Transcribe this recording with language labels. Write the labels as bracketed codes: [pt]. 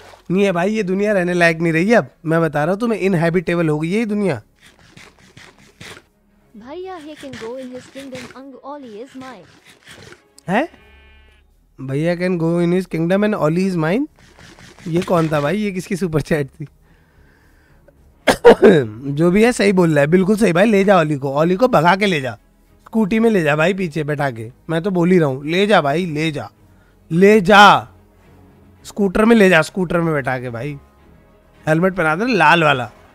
[hi] नहीं है भाई, ये दुनिया रहने लायक नहीं रही अब मैं बता रहा हूँ तुम्हें, इनहैबिटेबल हो गई ये दुनिया। [en] भैया he can go in his kingdom and Ollie is mine [hi] है, भैया [en] can go in his kingdom and Ollie is mine, [hi] ये कौन था भाई, ये किसकी सुपर चैट थी जो भी है सही बोल रहा है, बिल्कुल सही भाई, ले जा ओली को, ओली को भगा के ले जा स्कूटी में, ले जा भाई पीछे बैठा के, मैं तो बोल ही रहा हूँ, ले जा भाई ले जा, ले जा स्कूटर में, ले जा स्कूटर में बैठा के भाई, हेलमेट पहना दे लाल वाला।